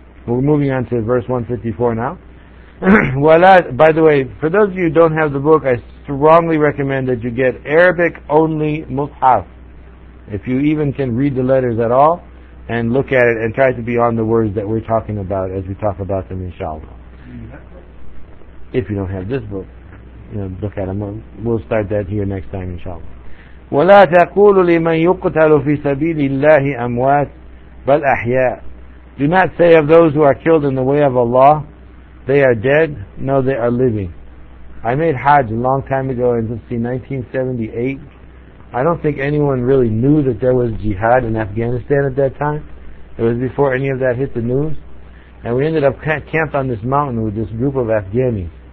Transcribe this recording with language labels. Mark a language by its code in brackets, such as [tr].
[en] We're moving on to verse 154 now. Voila, by the way, for those of you who don't have the book, I strongly recommend that you get Arabic-only mushaf. If you even can read the letters at all, and look at it and try to be on the words that we're talking about as we talk about them, inshallah. If you don't have this book, you know, look at them. We'll start that here next time, inshallah. [ar] وَلَا تَقُولُ لِمَنْ يُقْتَلُ فِي سَبِيلِ اللَّهِ أَمْوَاتٍ, [en] but ahya. Do not say of those who are killed in the way of Allah, they are dead. No, they are living. I made Hajj a long time ago in 1978. I don't think anyone really knew that there was jihad in Afghanistan at that time. It was before any of that hit the news. And we ended up camped on this mountain with this group of Afghanis.